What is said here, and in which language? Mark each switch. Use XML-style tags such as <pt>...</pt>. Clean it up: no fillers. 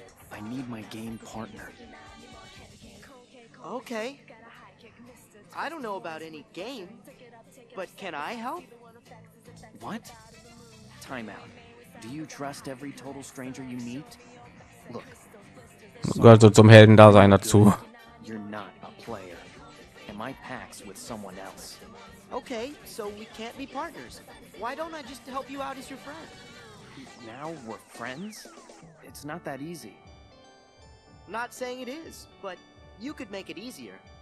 <en>I need my game partner. Okay. I don't know about any game, but can I help? What? Time out. Do you trust every total stranger you meet? Look.</en> <de>Gehört so zum Heldendasein dazu.</de> <en>You're not a player. Am I packs with someone else? Okay, so we can't be partners. Why don't I just help you out as your friend? Now we're friends? It's not that easy. Not saying it is, but you could make it easier.</en>